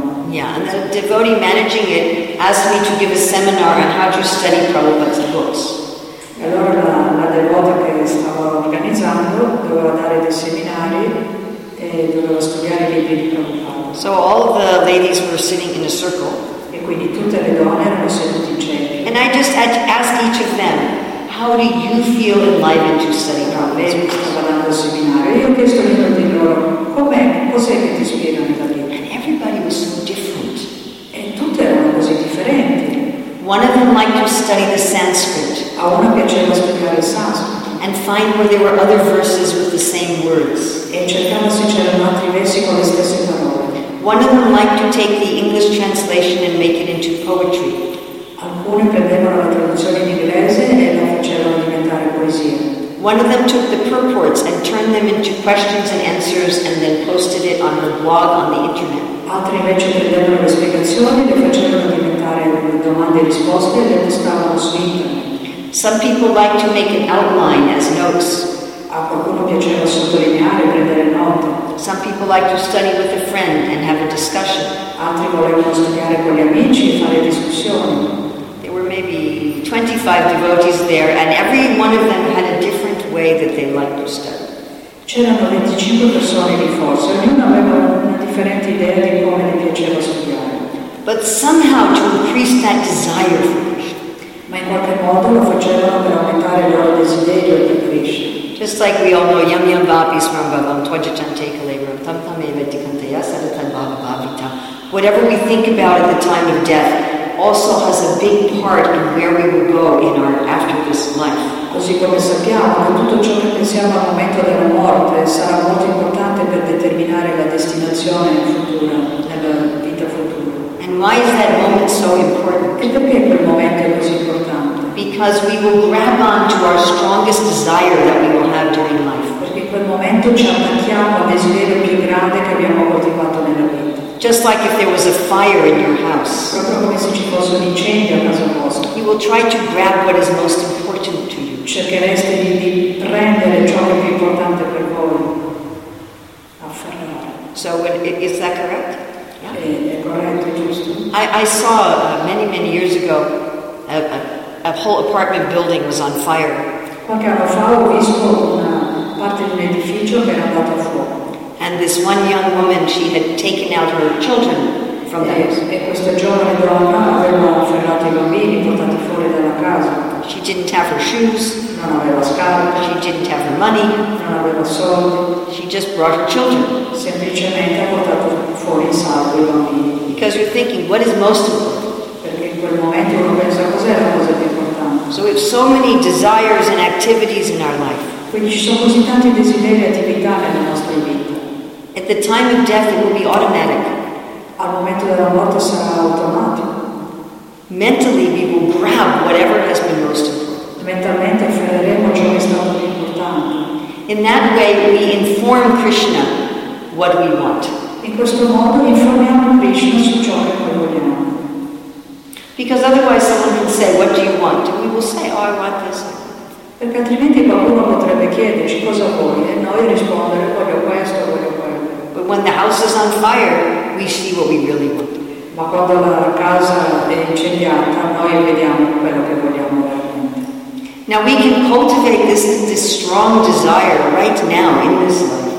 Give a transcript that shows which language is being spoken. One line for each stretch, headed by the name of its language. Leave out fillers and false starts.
English: Yeah, and the devotee managing it asked me to give a seminar on how to study Prabhupada's books.
Italian: Allora la devota che stava organizzando doveva dare dei seminari e doveva studiare i libri di Prabhupada.
English: So all the ladies were sitting in a circle.
Italian: E quindi tutte le donne erano sedute in cerchio.
English: And I just had to ask each of them, how do you feel enlightened to study Prabhupada's books?
Italian: Stava dando il seminario. Io ho chiesto a tutti loro, com'è? Cos'è che ti spiega nella vita?
English: And everybody was so different.
Italian: E tutte erano così differenti.
English: One of them liked to study the Sanskrit.
Italian: A una piaceva studiare il Sanskrit.
English: And find where there were other verses with the same words.
Italian: E cercava se c'erano altri versi con le stesse parole.
English: One of them liked to take the English translation and make it into poetry.
Italian: Alcuni prendevano la traduzione in inglese e la facevano diventare poesia.
English: One of them took the purports and turned them into questions and answers and then posted it on her blog on the internet.
Italian: Altri invece prendevano le spiegazioni e le facevano diventare domande e risposte e le postavano su internet.
English: Some people like to make an outline as notes.
Italian: A qualcuno piaceva sottolineare, prendere note.
English: Some people like to study with a friend and have a discussion.
Italian: Altri volevano studiare con gli amici e fare discussioni.
English: There were maybe 25 devotees there, and every one of them had a different way that they liked to study.
Italian: C'erano 25 persone lì forse, ognuno aveva una differente idea di come le piaceva studiare.
English: But somehow to increase that desire for
Italian: ma in qualche modo lo facevano per aumentare il loro desiderio di Krishna.
Sanskrit: Just like we all know, yam yam vapi smram bhavam, twaja chante kalevram, tam tam eva dikante yasadatan bhava bhavita.
English: Whatever we think about at the time of death also has a big part in where we will go in our after this life.
Italian: Così come sappiamo, tutto ciò che pensiamo al momento della morte sarà molto importante per determinare la destinazione futura, nella vita futura.
English: And why is that moment so important?
Italian: E perché quel momento è così importante?
English: Because we will grab on to our strongest desire that we will have during life.
Italian: Perché in quel momento ci attacchiamo al desiderio più grande che che abbiamo coltivato nella mente.
English: Just like if there was a fire in your house,
Italian: proprio come se ci fosse un incendio a casa vostra,
English: you will try to grab what is most important to you.
Italian: Cercheresti di prendere ciò che è più importante per voi. Afferrare.
English: So, is that correct?
Italian: Yeah. È corretto, giusto?
English: I saw many, many years ago a whole apartment building was on fire.
Italian: Qualche anno fa ho visto una parte di un edificio che era andato a fuoco.
English: And this one young woman, she had taken out her children from the house.
Italian: E questa giovane donna aveva afferrato i bambini, portati fuori dalla casa.
English: She didn't have her shoes.
Italian: Non aveva scarpe.
English: She didn't have her money.
Italian: Non aveva soldi.
English: She just brought her children.
Italian: Semplicemente ha portato fuori in salvo i bambini.
English: Because you're thinking, what is most important?
Italian: Perché in quel momento uno pensa, cos'è la cosa più importante?
English: So we have so many desires and activities in our life.
Italian: Quindi ci sono così tanti desideri e attività nella nostra vita.
English: At the time of death, it will be automatic.
Italian: Al momento della morte sarà automatico.
English: Mentally, we will grab whatever has been most important.
Italian: Mentalmente afferreremo ciò che è stato più importante.
English: In that way, we inform Krishna what we want.
Italian: In questo modo informiamo Krishna su ciò che noi vogliamo.
English: Because otherwise, someone can say, "What do you want?" And we will say, "Oh, I want this."
Italian: Perché altrimenti qualcuno potrebbe chiederci cosa vuoi e noi rispondere, voglio questo.
English: When the house is on fire, we see what we really want.
Italian: Ma quando la casa è incendiata, noi vediamo quello che vogliamo veramente.
English: Now we can cultivate this strong desire right now in this life.